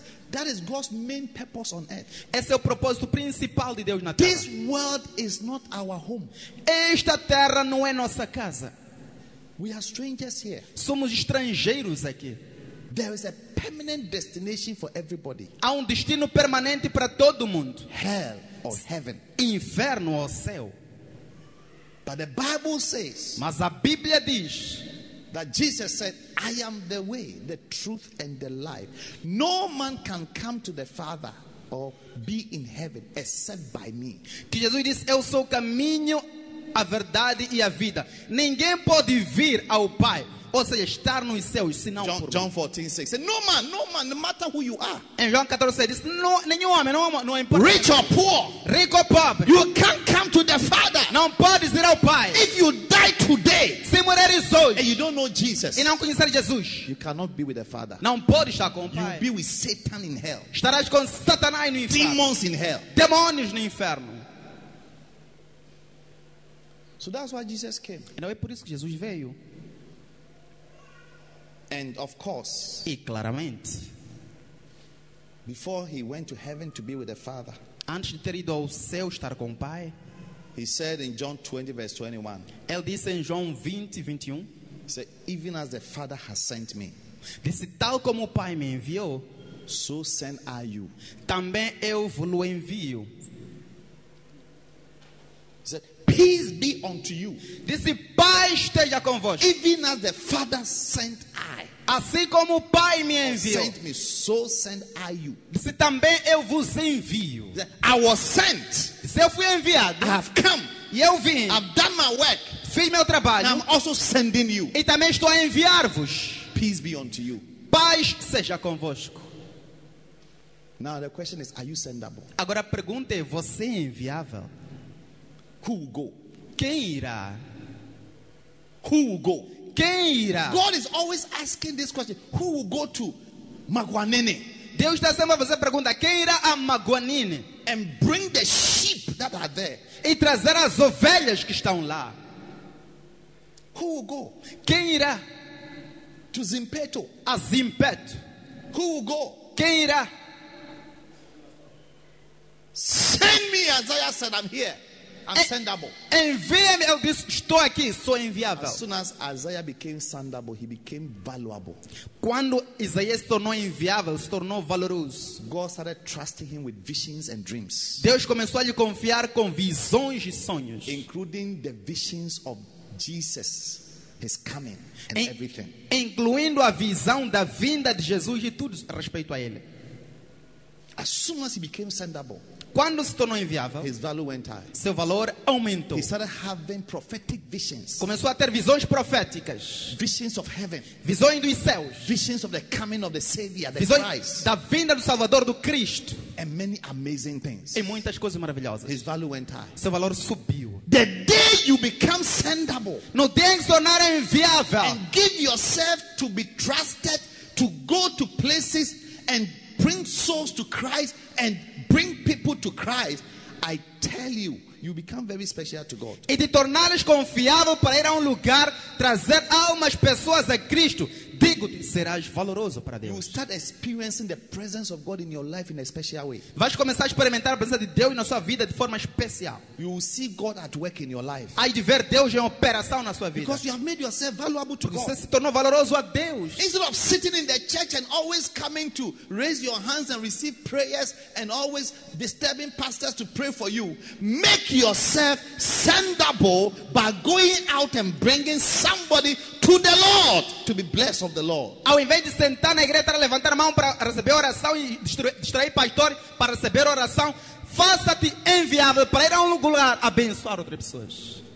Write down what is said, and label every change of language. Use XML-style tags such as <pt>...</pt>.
<en>That is God's main purpose on earth.</en> <pt>Esse é o propósito principal de Deus na terra.</pt> <en>This world is not our home.</en> <pt>Esta terra não é nossa casa.</pt> <en>We are strangers here.</en> <pt>Somos estrangeiros aqui.</pt> <en>There is a permanent destination for everybody.</en> <pt>Há destino permanente para todo mundo.</pt> <en>Hell or heaven.</en> <pt>Inferno ou céu.</pt> <en>But the Bible says.</en> <pt>Mas a Bíblia diz.</pt> <en>That Jesus said, I am the way, the truth and the life. No man can come to the Father or be in heaven except by me.</en> <pt>Que Jesus disse, eu sou o caminho, a verdade e a vida. Ninguém pode vir ao Pai, ou seja, estar nos céus, senão</pt> <en>John,</en> <pt>por mim.</pt> <en>John 14, 6. No man, no matter who you are.</en> <pt>Em João 14, 6, diz, nenhum homem, não é importante.</pt> <en>Rich or poor.</en> <pt>Rico ou pobre.</pt> <en>You can't come to the Father.</en> <pt>Não pode vir ao Pai.</pt> <en>If you die today.</en> <pt>Se morreres hoje.</pt> <en>And you don't know Jesus.</en> <pt>E não conhecer Jesus.</pt> <en>You cannot be with the Father.</en> <pt>Não pode estar com o Pai.</pt> <en>You'll be with Satan in hell.</en> <pt>Estarás com Satanás no inferno.</pt> <en>Demons in hell.</en> <pt>Demônios no inferno.</pt> <en>So that's why Jesus came.</en> <pt>Então é por isso que Jesus veio.</pt> <en>And of course,</en> <pt>e claramente,</pt> <en>before he went to heaven to be with the Father,</en> <pt>antes de ter ido ao céu estar com o Pai,</pt> <en>he said in John 20 verse 21,</en> <pt>ele disse em João 20, 21,</pt> <en>said, even as the Father has sent me,</en> <pt>disse tal como o Pai me enviou,</pt> <en>So send I you.</en> <pt>Também eu vos envio.</pt> <en>He said, peace be unto you.</en> <pt>Disse, paz esteja convosco.</pt> <en>Even as the Father sent I.</en> <pt>Assim como o Pai me enviou.</pt> <en>Sent me, so send I you.</en> <pt>Disse, também eu vos envio.</pt> <en>I was sent.</en> <pt>Disse, eu fui enviado.</pt> <en>I have come.</en> <pt>E eu vim.</pt> <en>I've done my work.</en> <pt>Fiz meu trabalho.</pt> <en>And I'm also sending you.</en> <pt>E também estou a enviar-vos.</pt> <en>Peace be unto you.</en> <pt>Paz seja convosco.</pt> <en>Now the question is, are you sendable?</en> <pt>Agora a pergunta é, você é enviável?</pt> <en>Who will go?</en> <pt>Quem irá?</pt> <en>Who will go?</en> <pt>Quem irá?</pt> <en>God is always asking this question. Who will go to Maguanene?</en> <pt>Deus está sempre a fazer a pergunta. Quem irá a Maguanene?</pt> <en>And bring the sheep that are there.</en> <pt>E trazer as ovelhas que estão lá.</pt> <en>Who will go?</en> <pt>Quem irá?</pt> <en>To Zimpeto.</en> <pt>A Zimpeto.</pt> <en>Who will go?</en> <pt>Quem irá?</pt> <en>Send me, Isaiah said, I'm here. I'm sendable.</en> <pt>Envie-me, eu disse, estou aqui, sou enviável.</pt> <en>As soon as Isaiah became sendable, he became valuable.</en> <pt>Quando Isaías se tornou enviável, se tornou valoroso.</pt> <en>God started trusting him with visions and dreams.</en> <pt>Deus começou a lhe confiar com visões e sonhos.</pt> <en>Including the visions of Jesus, his coming and everything.</en> <pt>Incluindo a visão da vinda de Jesus e tudo respeito a ele.</pt> <en>As soon as he became sendable,</en> <pt>quando se tornou enviável,</pt> <en>his value went high.</en> <pt>Seu valor aumentou.</pt> <en>He started having prophetic visions.</en> <pt>Começou a ter visões proféticas.</pt> <en>Visions of heaven.</en> <pt>Visões dos céus.</pt> <en>Visions of the coming of the Savior, the</en> <pt>visões</pt> <en>Christ.</en> <pt>Da vinda do Salvador, do Cristo.</pt> <en>And many amazing things.</en> <pt>E muitas coisas maravilhosas.</pt> <en>His value went high.</en> <pt>Seu valor subiu.</pt> <en>The day you become sendable.</en> <pt>No dia em que se tornar enviável.</pt> <en>And give yourself to be trusted to go to places and bring souls to Christ and bring people to Christ, I tell you, you become very special to God.</en> <pt>E te tornares confiável para ir a lugar, trazer almas, pessoas a Cristo, digo-te, serás valoroso para Deus.</pt> <en>You will start experiencing the presence of God in your life in a special way.</en> <pt>Vais começar a experimentar a presença de Deus na sua vida de forma especial.</pt> <en>You will see God at work in your life.</en> <pt>Aí de ver Deus em operação na sua vida.</pt> <en>Because you have made yourself valuable to</en> <pt>Porque</pt> <en>God.</en> <pt>Você se tornou valoroso a Deus.</pt> <en>Instead of sitting in the church and always coming to raise your hands and receive prayers and always disturbing pastors to pray for you, make yourself sendable by going out and bringing somebody to the Lord to be blessed of the Lord.</en> <pt>Ao invés de sentar na igreja para levantar a mão para receber oração e distrair pastor para receber oração, faça-te enviável para ir a lugar abençoar outras pessoas.</pt>